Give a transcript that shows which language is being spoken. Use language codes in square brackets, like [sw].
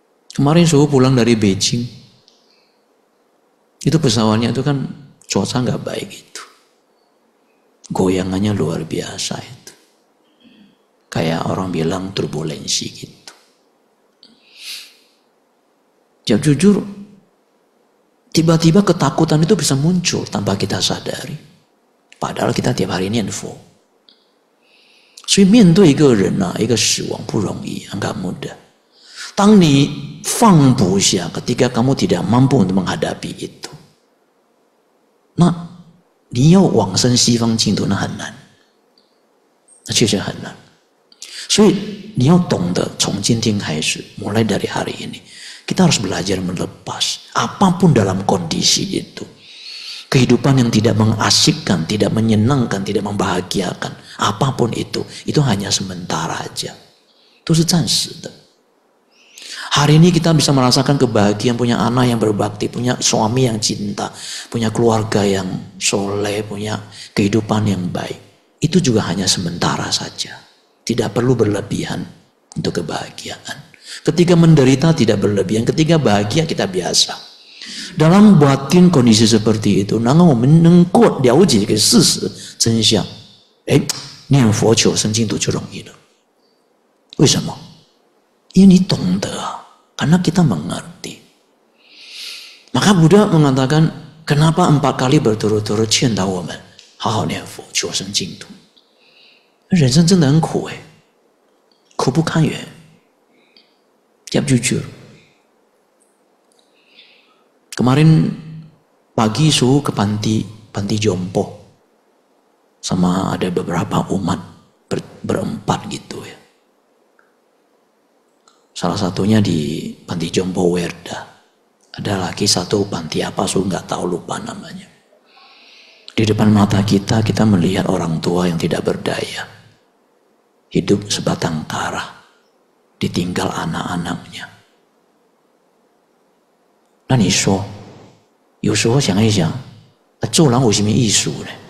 [id] Kemarin suhu pulang dari Beijing, itu pesawatnya itu kan cuaca nggak baik itu, goyangannya luar biasa itu, kayak orang bilang turbulensi gitu. Jujur, Tiba-tiba ketakutan itu bisa muncul tanpa kita sadari. Padahal kita tiap hari [zh] 念佛。所以面对一个人啊，一个死亡不容易， [id] enggak mudah。 [zh] 当你放不下， [id] ketika kamu tidak mampu untuk menghadapi itu， [zh] 那你要往生西方净土，那很难，那确实很难。所以你要懂得从今天开始， [id] mulai dari hari ini， kita harus belajar melepas apapun dalam kondisi itu。 Kehidupan yang tidak mengasyikkan, tidak menyenangkan, tidak membahagiakan, apapun itu hanya sementara aja. Itu sejanjinya. Hari ini kita bisa merasakan kebahagiaan punya anak yang berbakti, punya suami yang cinta, punya keluarga yang soleh, punya kehidupan yang baik. Itu juga hanya sementara saja. Tidak perlu berlebihan untuk kebahagiaan. Ketika menderita tidak berlebihan, ketika bahagia kita biasa. Dalam batin kondisi seperti itu， [zh] 然后我们能够了解一个事实真相， 念佛求生净土就容易了。为什么？因为你懂得啊， [id] karena kita mengerti。 Maka Buddha mengatakan， kenapa empat kali berturut-turut [zh] 劝导我们好好念佛求生净土？人生真的很苦耶， 苦不堪言， 要不就绝了。 [id] Kemarin pagi suhu ke panti jompo sama ada beberapa umat berempat gitu ya. Salah satunya di panti jompo Werda. Ada lagi satu panti apa suhu gak tahu lupa namanya. Di depan mata kita melihat orang tua yang tidak berdaya. Hidup sebatang kara. Ditinggal anak-anaknya. Nah ni suhu. [zh] 有时候想一想，做人有什么意思呢？